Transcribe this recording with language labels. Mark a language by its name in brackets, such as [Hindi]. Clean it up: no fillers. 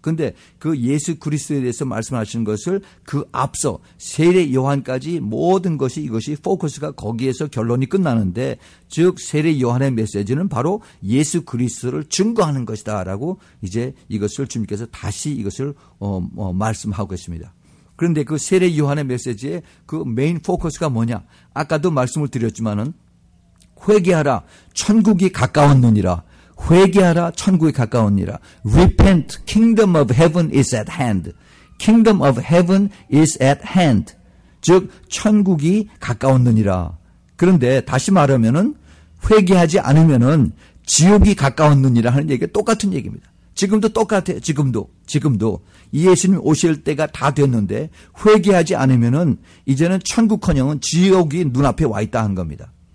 [Korean] 그런데 그 예수 그리스도에 대해서 말씀하시는 것을 그 앞서 세례 요한까지 모든 것이 이것이 포커스가 거기에서 결론이 끝나는데 즉 세례 요한의 메시지는 바로 예수 그리스도를 증거하는 것이다라고 이제 이것을 주님께서 다시 이것을 말씀하고 계십니다. 그런데 그 세례 요한의 메시지의 그 메인 포커스가 뭐냐? 아까도 말씀을 드렸지만은 회개하라 천국이 가까웠느니라. 회개하라 천국이 가까웠느니라. [English] Repent, kingdom of heaven is at hand. Kingdom of heaven is at hand. [Korean] 즉 천국이 가까웠느니라. 그런데 다시 말하면은 회개하지 않으면은 지옥이 가까웠느니라 하는 얘기가 똑같은 얘기입니다. 지금도 똑같아요. 지금도 예수님 오실 때가 다 됐는데 회개하지 않으면은 이제는 천국커녕은 지옥이 눈앞에 와 있다 한 겁니다.